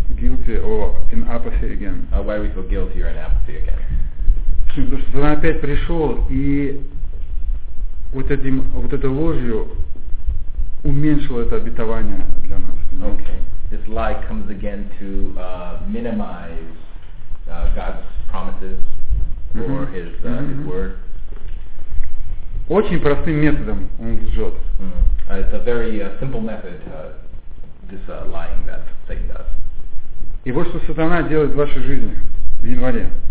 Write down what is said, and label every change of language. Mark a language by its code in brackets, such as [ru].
[en] Guilty or in apathy again. Why we feel guilty or in apathy again? [ru] Потому что он опять пришел и вот этой ложью уменьшил это обетование для нас. [en] Okay. This lie comes again to minimize God's promises or his word. [ru] Очень простым методом он лжет. [en] It's a very simple method. This lying that Satan does. [ru] И вот что сатана делает в вашей жизни в январе.